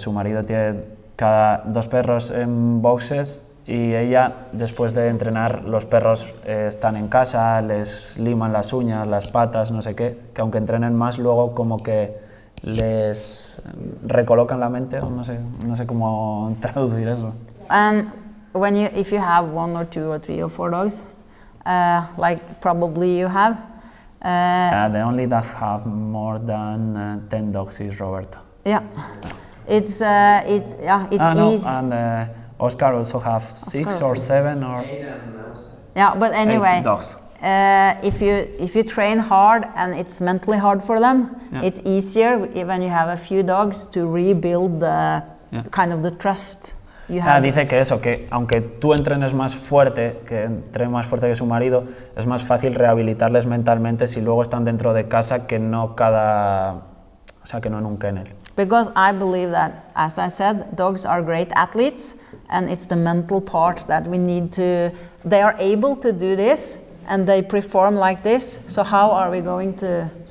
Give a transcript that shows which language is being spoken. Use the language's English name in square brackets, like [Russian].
[Spanish] Su marido tiene cada dos perros en boxes y ella, después de entrenar, los perros están en casa, les liman las uñas, las patas, no sé qué. Que aunque entrenen más, luego como que les recolocan la mente, o no sé cómo traducir eso. [English] And when you, if you have one or two or three or four dogs, like probably you have. The only that have more than 10 dogs is Roberto. Yeah, it's easy. And Oscar also have six or seven or. Yeah, but anyway. Eight dogs. If you train hard and it's mentally hard for them, yeah. It's easier when you have a few dogs to rebuild the kind of the trust you have. [Spanish] Dice que eso, que aunque tú entrenes más fuerte, que entrenes más fuerte que su marido, es más fácil rehabilitarles mentalmente si luego están dentro de casa que no cada, o sea, que no en un kennel. [English] Because I believe that, as I said, dogs are great athletes, and it's the mental part that we need to. They are able to do this. And they perform like this, so how are we going to...